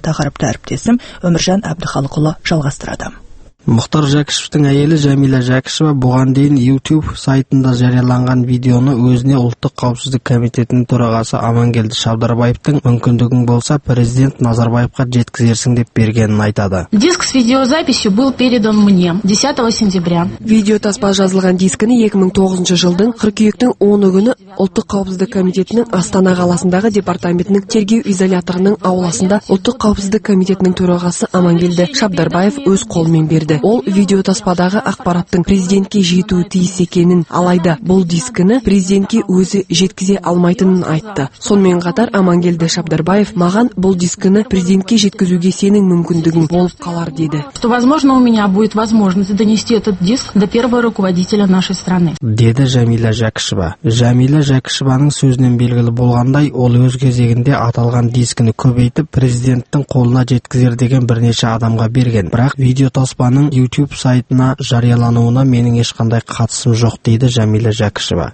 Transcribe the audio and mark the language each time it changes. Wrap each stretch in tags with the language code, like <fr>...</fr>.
<kk>Тақырыпты әріптесім Өміржан Әбдіхалықұлы жалғастырады. Мұхтар Жәкішевтің әйелі Жәмилә Жәкішева бұған дейін YouTube сайтында жарияланған видеоны өзіне Ұлттық қауіпсіздік комитетінің төрағасы Амангелді Шабдарбаевтың мүмкіндігің болса президент Назарбаевқа жеткізерсің деп бергенін айтады.</kk> <ru>Диск с видеозаписью был передан мне 10 сентября.</ru> <kk>Видеотаспа жазылған дискіні 2009 жылдың 42-тің 10 күні Ұлттық қауіпсіздік комитетінің Астана қаласындағы департаментінің тергеу изоляторының ауласында Ұлттық қауіпсіздік комитетінің төрағасы Амангелді Шабдарбаев өз қолымен берді. Ол видеотаспадағы ақпараттың президентке жетуі тиіс екенін, алайда бұл дискіні президентке өзі жеткізе алмайтынын айтты. Сонымен қатар Амангелді Шабдарбаев маған бұл дискіні президентке жеткізуге сенің мүмкіндігің болып қалар деді.</kk> <ru>Что возможно у меня будет возможность донести этот диск до первого руководителя нашей страны.</ru> <kk>Деді Жәмилә Жәкішева. Жәмилә Жәкішеваның сөзінен белгілі болғандай, ол өз кезегінде аталған дискіні көбейтіп президенттің қолына жеткізер деген бірнеше адамға берген. Бірақ видео Таспаның YouTube сайтына жариялануына менің ешқандай қатысым жоқ дейді Жәмилә Жәкішева.</kk>